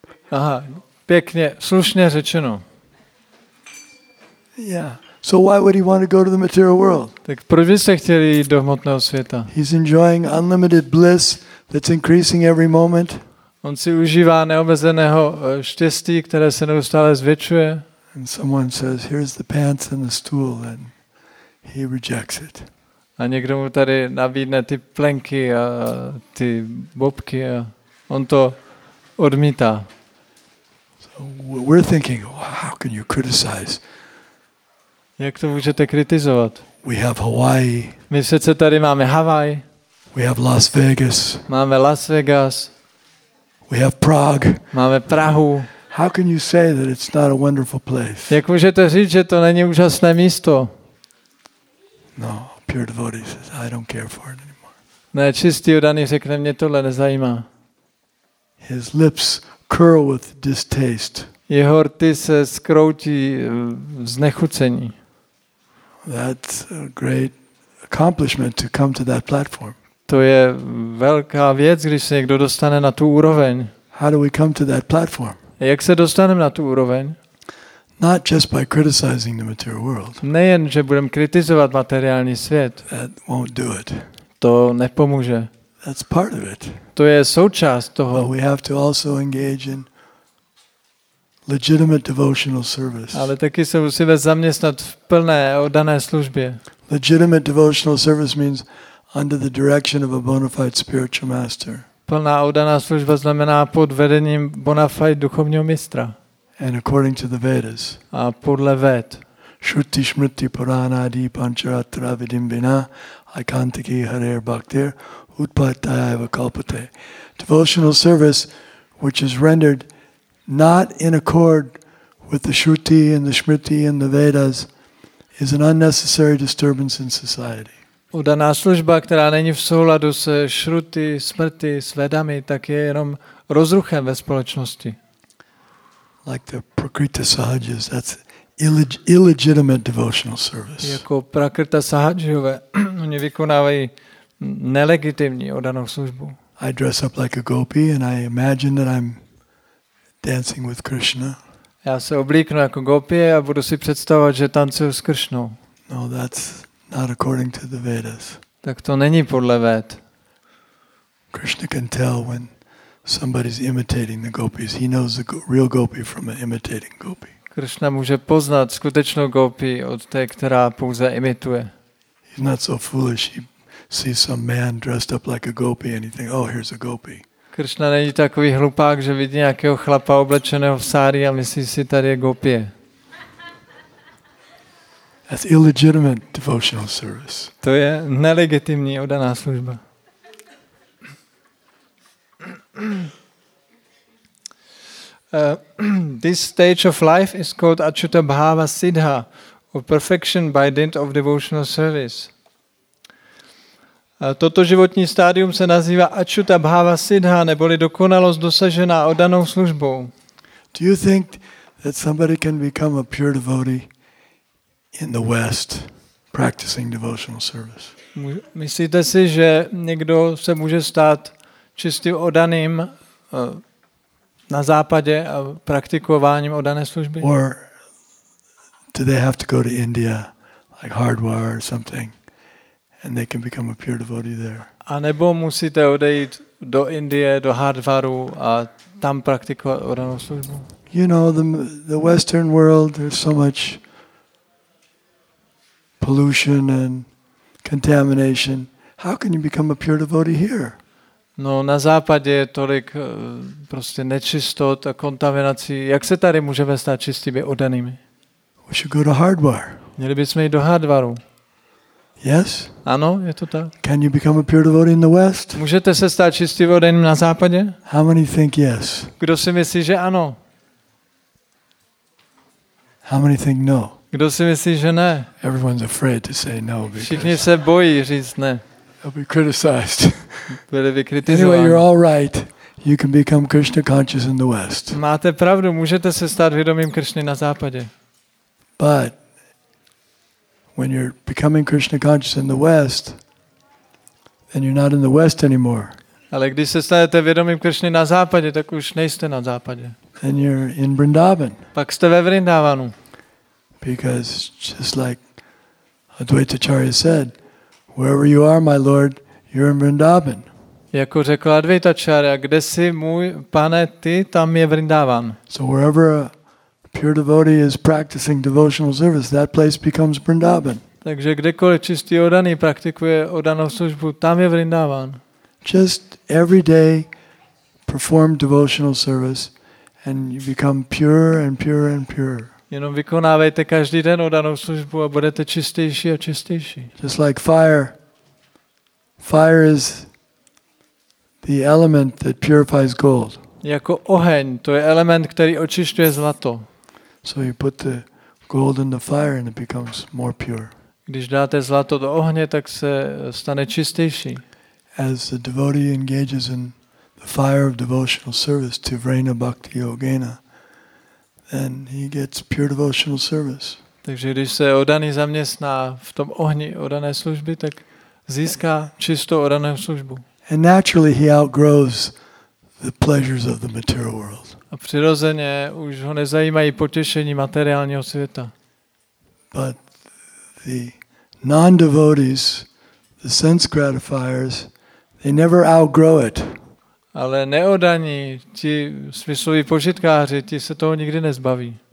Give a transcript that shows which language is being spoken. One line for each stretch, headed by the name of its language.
Czech: Aha, pěkně, slušně řečeno.
English: Yeah. So why would he want to go to the material world?
Czech: Tak proč by se chtěl jít do hmotného světa?
English: He's enjoying unlimited bliss that's increasing every moment.
Czech: On si užívá neomezeného štěstí, které se neustále zvětšuje.
English: And someone says, "Here's the pants and the stool," and he rejects it.
Czech: A někdo mu tady nabídne ty plenky a ty bobky a on to odmítá.
English: So we're thinking, how can you criticize?
Czech: Jak to můžete kritizovat?
English: We have Hawaii.
Czech: My sice tady máme Hawaii.
English: We have Las Vegas.
Czech: Máme Las Vegas.
English: We have Prague.
Czech: Máme Prahu.
English: How can you say that it's not a wonderful place?
Czech: Jak můžete říct, že to není úžasné místo?
English: No, pure devotee says, I don't care for it anymore.
Czech: Ne, čistý oddaný řekne, mě tohle nezajímá.
English: His lips curl with distaste.
Czech: Jeho rty se skroutí v znechucení.
English: That's a great accomplishment to come to that platform.
Czech: To je velká věc, když se někdo dostane na tu úroveň.
English: How do we come to that platform?
Czech: Jak se dostaneme na tu úroveň?
English: Not just by criticizing the material world.
Czech: Nejen, že budeme kritizovat materiální svět.
English: That won't do it.
Czech: To nepomůže.
English: That's part of it.
Czech: To je součást toho.
English: But we have to also engage in legitimate devotional service.
Czech: Ale taky se musíme zaměstnat v plné oddané službě.
English: Legitimate devotional service means under the direction of a bona fide spiritual master.
Czech: Plná oddaná služba znamená pod vedením bona fide duchovního mistra.
English: And according to the Vedas.
Czech: A podle Ved.
Sanskrit: Shruti smriti purana adi pancharatra vidim vina aikantiki harer bhaktir utpataya kalpate.
English: Devotional service which is rendered not in accord with the Shruti and the Smriti and the Vedas is an unnecessary disturbance in society.
Czech: Udaná služba, která není v souladu se Shruti, Smriti, s Vedami, tak je jenom rozruchem ve společnosti.
English: Like the Prakriti Sahajas, that's illegitimate devotional service.
Czech: Jako Prakriti Sahajové, oni vykonávají nelegitimní udanou službu.
English: I dress up like a gopi and I imagine that I'm dancing with Krishna.
Czech: Já se oblíknu jako gopie a budu si představovat, že tancuju s Krishnou.
English: No, that's not according to the Vedas.
Czech: Tak to není podle Ved.
English: Krishna can tell when somebody's imitating the gopis. He knows the real gopi from an imitating gopi.
Czech: Krishna může poznat skutečnou gopi od té, která pouze imituje.
English: He's not so foolish. He sees some man dressed up like a gopi and he thinks, oh, here's a gopi.
Czech: Krishna není takový hlupák, že vidí nějakého chlapa oblečeného v sári a myslí si, tady je gopie.
English: That's illegitimate devotional service.
Czech: To je nelegitimní oddaná služba.
English: This stage of life is called Achyuta Bhava Siddha, or perfection by dint of devotional service.
Czech: Toto životní stádium se nazývá Achyuta Bhava Siddha, neboli dokonalost dosažená oddanou službou.
English: Do you think that somebody can become a pure devotee in the West practicing devotional service?
Czech: Myslíte si, že někdo se může stát čistým oddaným na západě a praktikováním oddané služby?
English: Or do they have to go to India like Hardwar or something? And they can become a pure devotee there.
Czech: A nebo musíte odejít do Indie, do Hardwaru a tam praktikovat oddanou službu.
English: You know, the Western world, there's so much pollution and contamination. How can you become a pure devotee here?
Czech: No, na západě je tolik prostě nečistot a kontaminací. Jak se tady můžeme stát čistými oddanými?
English: We should go to Hardwar.
Czech: Měli bychom jít do Hardwaru.
English: Yes?
Czech: Ano, je to tak.
English: Can you become a pure devotee in the West?
Czech: Můžete se stát čistým oddaným na západě?
English: How many think yes?
Czech: Kdo si myslí, že ano?
English: How many think no?
Czech: Kdo si myslí, že ne?
English: Everyone's afraid to say no because
Czech: všichni se bojí říct ne.
English: They'll be criticized.
Czech: Byli by kritizováni.
English: Anyway, you're all right. You can become Krishna conscious in the West.
Czech: Máte pravdu, můžete se stát vědomým Krishny na západě.
English: But when you're becoming Krishna conscious in the West, then you're not in the West anymore.
Czech: Ale když se stanete vědomým Krishny na západě, tak už nejste na západě.
English: Then you're in Vrindavan.
Czech: Pak jste ve Vrindavanu.
English: Because just like Advaita Acharya said, wherever you are, my Lord, you're in Vrindavan.
Czech: Jako řekl Advaita Acharya, kde jsi můj pane, ty tam je Vrindavan.
English: So wherever pure devotee is practicing devotional service, that place becomes Vrindavan.
Czech: Takže kdekoliv čistý oddaný praktikuje oddanou službu, tam je Vrindavan.
English: Just every day perform devotional service and you become purer and purer and purer.
Czech: Jenom vykonávejte každý den oddanou službu a budete čistější a čistější.
English: Just like fire. Fire is the element that purifies gold.
Czech: Jako oheň, to je element, který očišťuje zlato.
English: So you put the gold in the fire and it becomes more pure.
Czech: Když dáte zlato do ohně, tak se stane čistější.
English: As the devotee engages in the fire of devotional service to
Sanskrit: Vrena Bhakti Yogena,
English: then he gets pure devotional service.
Czech: Takže když se oddaný zaměstná v tom ohni oddané služby, tak získá čistou oddanou službu.
English: And naturally he outgrows the pleasures of the material world.
Czech: A přirozeně už ho nezajímají potěšení materiálního světa.
English: But the non-devotees, the sense gratifiers, They never outgrow it.
Czech: Ale neodaní, ti smyslují požitkáři, ti se toho nikdy nezbaví.